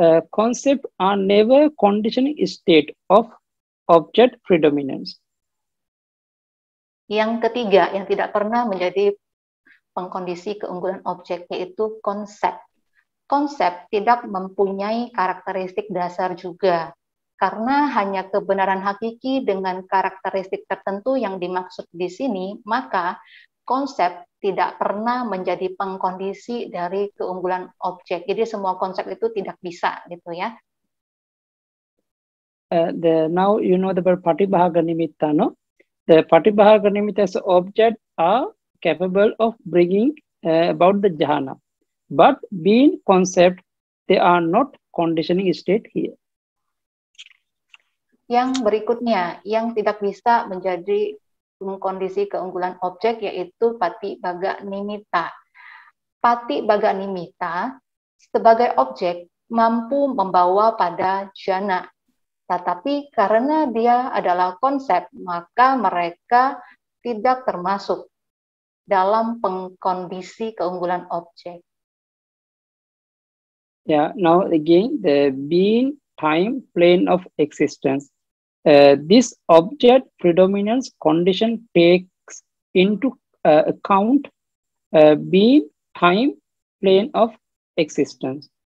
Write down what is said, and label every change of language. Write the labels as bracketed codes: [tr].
[en] Concepts are never conditioned state of object predominance. [id] Yang ketiga yang tidak pernah menjadi pengkondisi keunggulan objek yaitu konsep. Konsep tidak mempunyai karakteristik dasar juga, karena hanya kebenaran hakiki dengan karakteristik tertentu yang dimaksud di sini, maka konsep tidak pernah menjadi pengkondisi dari keunggulan objek. Jadi semua konsep itu tidak bisa, gitu ya. [en] Now you know the Patibhaga Nimitta, no? The Patibhaga Nimitta as object are capable of bringing about the jhana. But being concept, they are not conditioning state here. [id] Yang berikutnya, yang tidak bisa menjadi kondisi keunggulan objek, yaitu Patibhaga Nimitta. Patibhaga Nimitta sebagai objek mampu membawa pada jhana. Tetapi karena dia adalah konsep, maka mereka tidak termasuk dalam pengkondisi keunggulan objek. [en] Yeah, now again, the being, time, plane of existence. This object predominance condition takes into account being, time, plane of existence.